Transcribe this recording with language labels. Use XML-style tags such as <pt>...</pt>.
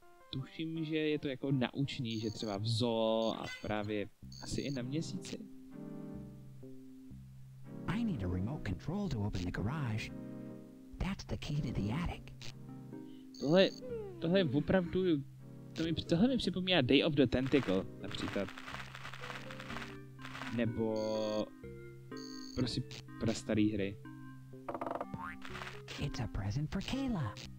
<cs>Tuším, že je to jako naučný, že třeba v zoo a právě asi i na měsíci.</cs> <en>I need a remote control to open the garage. That's the key to the attic.</en> <cs>Tohle je opravdu, tohle mi připomíná Day of the Tentacle, například. Nebo prosím pro starý hry.</cs> <en>It's a present for Kayla.</en>